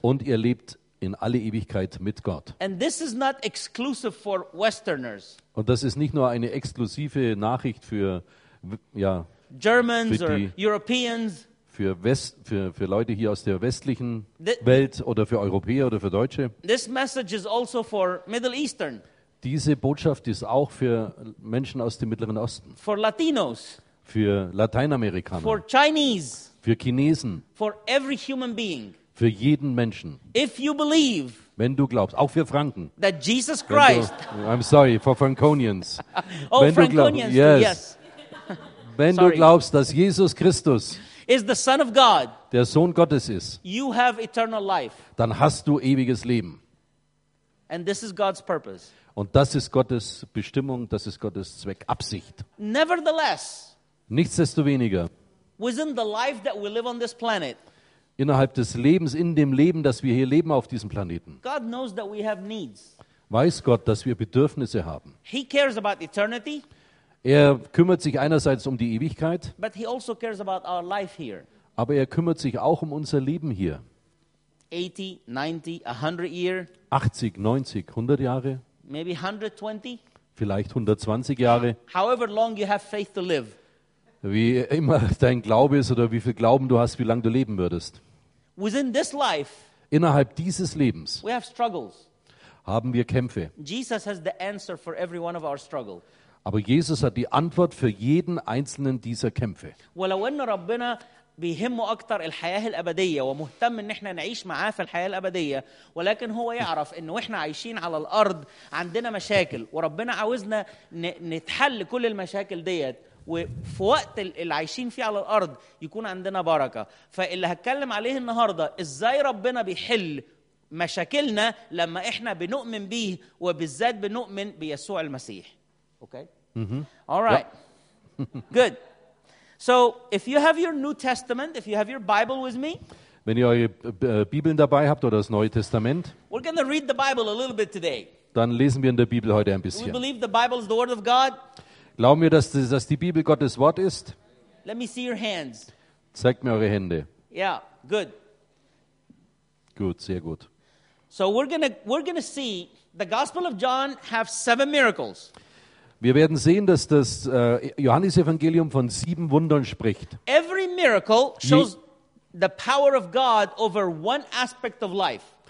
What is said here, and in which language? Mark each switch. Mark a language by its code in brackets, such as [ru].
[de] Und ihr lebt in alle Ewigkeit mit Gott. [en] And this is not exclusive for Westerners. [de] Und das ist nicht nur eine exklusive Nachricht für, ja, [en] Germans [de] für die, [en] or Europeans. [de] Für Leute hier aus der westlichen Welt oder für Europäer oder für Deutsche. [en] This message is also for Middle Eastern. [de] Diese Botschaft ist auch für Menschen aus dem Mittleren Osten. [en] For Latinos. [de] Für Lateinamerikaner. [en] For Chinese. [de] Für Chinesen. [en] For every human being. [de] Für jeden Menschen. [en] If you believe, [de] wenn du glaubst, auch für Franken. [en] That Jesus Christ. I'm sorry, for Franconians. Oh, [de] wenn Franconians, du glaubst, [en] yes. Yes. [de] Wenn sorry. Du glaubst, dass Jesus Christus [en] is the Son of God, [de] der Sohn Gottes ist, [en] you have eternal life. [de] Dann hast du ewiges Leben. [en] And this is God's purpose. [de] Und das ist Gottes Bestimmung, das ist Gottes Zweck, Absicht. [en] Nevertheless, [de] nichtsdestoweniger, [en] within the life that we live on this planet, [de] innerhalb des Lebens, in dem Leben, das wir hier leben auf diesem Planeten, [en] God knows that we have needs. [de] Weiß Gott, dass wir Bedürfnisse haben. [en] He cares about eternity. [de] Er kümmert sich einerseits um die Ewigkeit, [en] but he also cares about our life here. [de] Aber er kümmert sich auch um unser Leben hier. [en] 80, 90, 100 years. [de] 80, 90, 100 Jahre. [en] Maybe 120. [de] Vielleicht 120 Jahre. [en] However long you have faith to live. [de] Wie immer dein Glaube ist oder wie viel Glauben du hast, wie lange du leben würdest. [en] Within this life, [de] innerhalb dieses Lebens, [en] we have struggles. [de] Haben wir Kämpfe. [en] Jesus has the answer for every one of our struggle. [de] Aber Jesus hat die Antwort für jeden einzelnen dieser Kämpfe. [ar] ولو ان ربنا بيهمه اكتر الحياه الابديه ومهتم ان احنا نعيش معاه في الحياه الابديه ولكن هو يعرف ان احنا عايشين على الارض عندنا مشاكل وربنا عاوزنا نتحل كل المشاكل ديت وفي وقت اللي عايشين فيه على الارض يكون عندنا بركه فاللي هتكلم عليه النهارده ازاي ربنا بيحل مشاكلنا لما احنا بنؤمن بيه وبالذات بنؤمن بيسوع المسيح. Okay. Mm-hmm. [en] All right. Yeah. Good. So, if you have your New Testament, if you have your Bible with me, [de] wenn ihr eure Bibeln dabei habt oder das Neue Testament, [en] we're going to read the Bible a little bit today. [de] Dann lesen wir in der Bibel heute ein bisschen. [en] We believe the Bible is the Word of God. [de] Glauben wir, dass die Bibel Gottes Wort ist? [en] Let me see your hands. [de] Zeigt mir eure Hände. [en] Yeah. Good. [de] Gut. Sehr gut. [en] So we're gonna see the Gospel of John have 7 miracles. [de] Wir werden sehen, dass das Johannesevangelium von 7 Wundern spricht. [en] Every miracle shows the power of God over one aspect of life.